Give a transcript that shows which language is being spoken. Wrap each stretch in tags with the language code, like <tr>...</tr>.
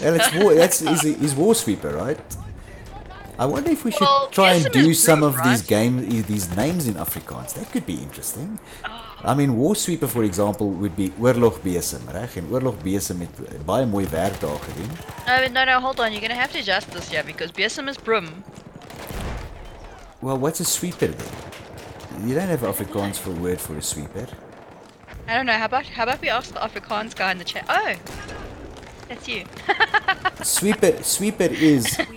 <en>Well, it's war, that's is War Sweeper, right? I wonder if we should try and do some of these games, these names in Afrikaans. That could be interesting. I mean, War Sweeper, for example, would be Oorlogbesem, right?</en> <af>And Oorlogbesem met baie mooi werk daar gedoen.</af> <en>No, hold on. You're going to have to adjust this, yeah, because Besem is broom. Well, what's a sweeper then? You don't have Afrikaans for word for a sweeper. I don't know. How about we ask the Afrikaans guy in the chat? Oh, that's you. Sweeper is...</en>